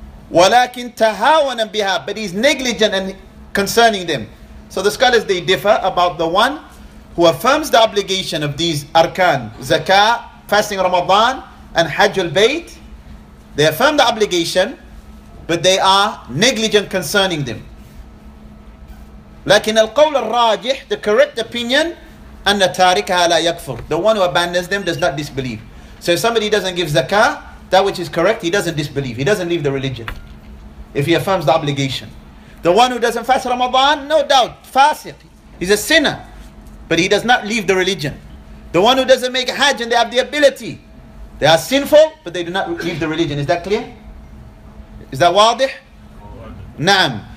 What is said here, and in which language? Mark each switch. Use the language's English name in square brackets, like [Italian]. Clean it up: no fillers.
[Arabic] وَلَكِنْ تَهَاوَنَ بِهَا, [English] but he's negligent and concerning them. So the scholars, they differ about the one who affirms the obligation of these arkan, zakah, fasting Ramadan, and hajj al-bayt. They affirm the obligation, but they are negligent concerning them. [Arabic] لكن القول الراجح, [English] the correct opinion, [Arabic] أن تاركها لا يكفر. [English] The one who abandons them does not disbelieve. So if somebody doesn't give zakah, that which is correct, he doesn't disbelieve. He doesn't leave the religion if he affirms the obligation. The one who doesn't fast Ramadan, no doubt, fasiq. He's a sinner, but he does not leave the religion. The one who doesn't make hajj and they have the ability, they are sinful, but they do not leave the religion. Is that clear? Is that wadih? Naam.